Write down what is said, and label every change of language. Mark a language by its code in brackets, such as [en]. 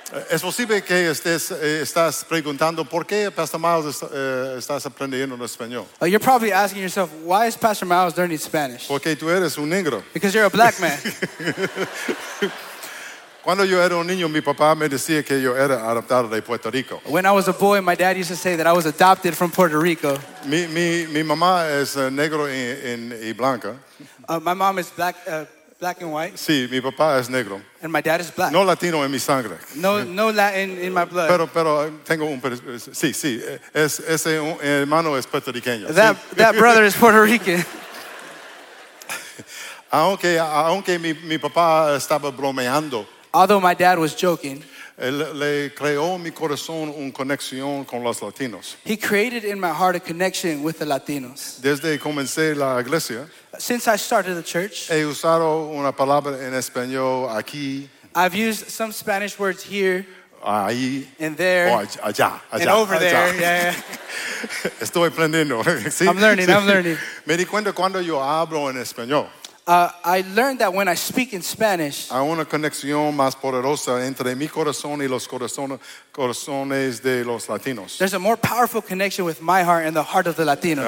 [es] Es posible que estás preguntando por qué Pastor Miles estás aprendiendo español. [en] You're probably asking yourself, why is Pastor Miles learning Spanish? [es] Porque tú eres un negro. [en] Because you're a black man. [es] Cuando yo era un niño, mi papá me decía que yo era adoptado de Puerto Rico. [en] When I was a boy, my dad used to say that I was adopted from Puerto Rico. [es] Mi mamá es negro y blanca. [en] My mom is black. Black and white. [es] Sí, mi papá es negro. [en] And my dad is black. [es] No latino en mi sangre. [en] No Latin in my blood. [es] Pero tengo un... Sí. Ese hermano es puertorriqueño. [en] That brother is Puerto Rican. [es] Aunque mi papá estaba bromeando. [en] Although my dad was joking. [es] le creó mi corazón una conexión con los latinos. [en] He created in my heart a connection with the latinos. [es] Desde comencé la iglesia, [en] since I started the church, [es] he usado una palabra en español aquí. [en] I've used some Spanish words here, [es] ahí, [en] and there, [es] allá, allá, [en] and over [es] allá. [en] There. Yeah. [es] Estoy aprendiendo. [en] Sí. I'm learning. Sí. I'm learning. [es] Me di cuenta cuando yo hablo en español. [en] I learned that when I speak in Spanish, [es] hay una conexión más poderosa entre mi corazón y los corazones de los latinos. [en] There's a more powerful connection with my heart and the heart of the latinos.